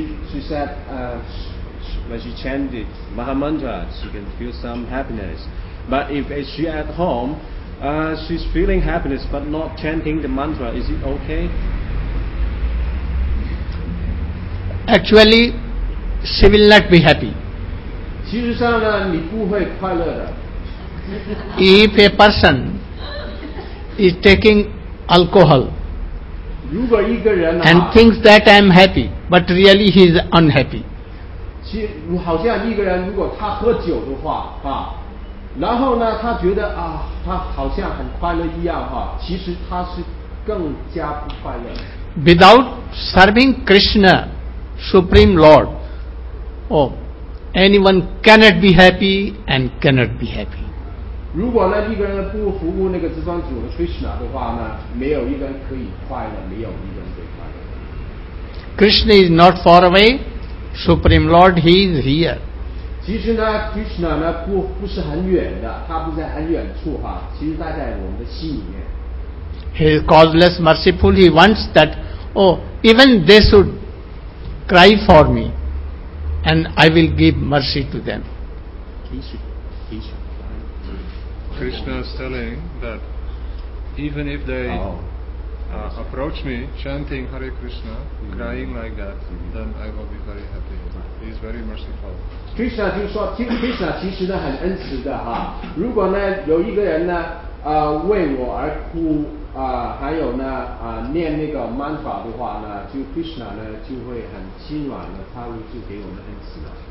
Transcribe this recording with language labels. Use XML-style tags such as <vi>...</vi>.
<en>She said, when she chanted Maha Mantra, she can feel some happiness. But if she at home, she's feeling happiness but not chanting the mantra, is it okay? Actually, she will not be happy.</en> <zh>其实上呢，你不会快乐的。</zh> <en>If a person is taking alcohol, and thinks that I am happy, but really he is unhappy.</en> <zh>其实好像一个人如果他喝酒的话，啊，然后呢，他觉得啊，他好像很快乐一样，哈，其实他是更加不快乐。</zh> <en>Without serving Krishna, Supreme Lord, oh, anyone cannot be happy and cannot be happy.</en> <zh>如果呢一个人不服务那个至尊主的 Krishna 的话呢，没有一个人可以快乐，没有一个人可以快乐。</zh> <en>Krishna is not far away, Supreme Lord, He is here.</en> <zh>其实呢 ，Krishna 呢不是很远的，他不在很远处哈，其实他在我们的心里面。</zh> <en>He is causeless, merciful. He wants that, oh, even they should cry for me, and I will give mercy to them. Krishna. Krishna is telling that even if they approach me chanting Hare Krishna, crying like that, then I will be very happy. He is very merciful.</en> <zh>Krishna 就说，其实 Krishna 其实呢很恩慈的哈。如果呢有一个人呢为我而哭还有呢念那个 mantra 的话呢，就 Krishna 呢就会很心软的，他会就给我们恩慈的。</zh>